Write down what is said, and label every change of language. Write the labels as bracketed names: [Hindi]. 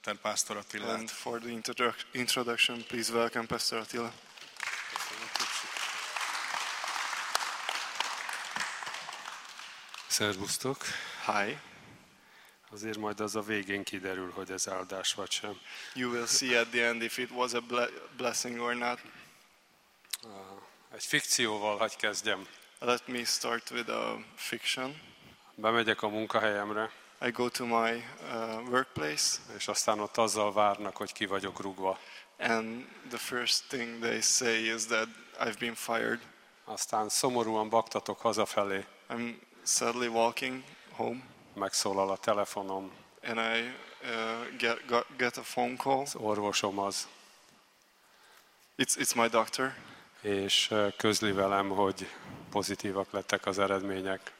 [Hungarian] szeretettel Pásztor Attilát. [English] And for the introduction, please welcome Pastor Attila. [Hungarian] Szervusztok. [English] Hi. [Hungarian] Azért majd az a végén kiderül, hogy ez áldás vagy sem. [English] You will see at the end if it was a blessing or not. [Hungarian] Egy fikcióval hagy kezdjem. [English] Let me start with a fiction. [Hungarian] Bemegyek a munkahelyemre. [English] I go to my workplace. [Hungarian] És aztán ott azzal várnak, hogy ki vagyok rúgva. [English] And the first thing they say is that I've been fired. [Hungarian] Aztán szomorúan baktatok hazafelé. [English] I'm sadly walking home. [Hungarian] Megszólal a telefonom. [English] And I get a phone call. [Hungarian] Az orvosom az. [English] It's my doctor. [Hungarian] És közli velem, hogy pozitívak lettek az eredmények.